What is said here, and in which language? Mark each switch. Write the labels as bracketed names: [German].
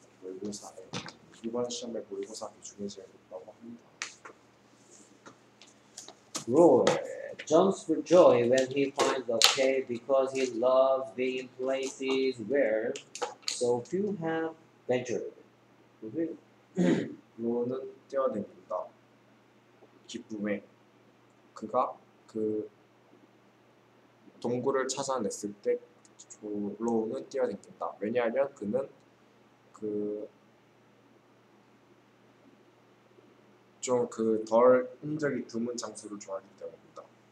[Korean] 모의고사에 이번 시험에 모의고사 기준이 제일 높다고 합니다. [English] Roy jumps for joy when he finds a cave because he loves being places where so few have ventured. [Korean] 로는 뛰어듭니다. 기쁨에 그가 그 동굴을 찾아냈을 때 로는 뛰어듭니다. 왜냐하면 그는 그 좀 그 덜 흔적이 드문 장소를 좋아하기 때문입니다.